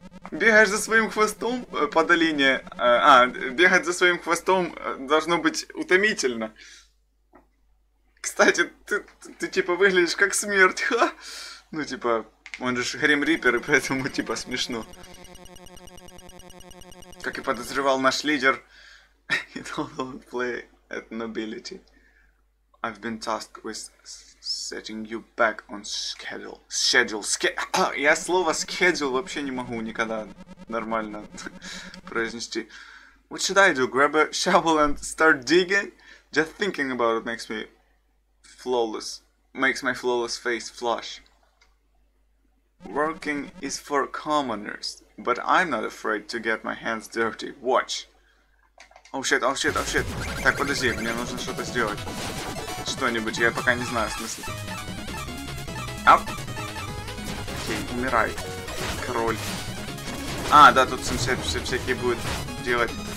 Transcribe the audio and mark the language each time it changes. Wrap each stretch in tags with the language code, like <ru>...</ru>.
<ru>Бегаешь за своим хвостом по долине. Бегать за своим хвостом должно быть утомительно. Кстати, ты типа выглядишь как смерть, ха? Ну, типа, он же Грим Рипер, и поэтому типа смешно. Как и подозревал наш лидер.</ru> <en>He don't play at nobility. I've been tasked with setting you back on schedule.</en> <ru>Я слово schedule вообще не могу никогда нормально произнести.</ru> <en>What should I do? Grab a shovel and start digging? Just thinking about it makes me flawless. Makes my flawless face flush. Working is for commoners, but I'm not afraid to get my hands dirty. Watch. Оу, щит, оу, щит, оу, щит.</en> <ru>Так, подожди, мне нужно что-то сделать. Что-нибудь, я пока не знаю, в смысле. Ап! Окей, умирай, король. А, да, тут всякие будут делать.</ru>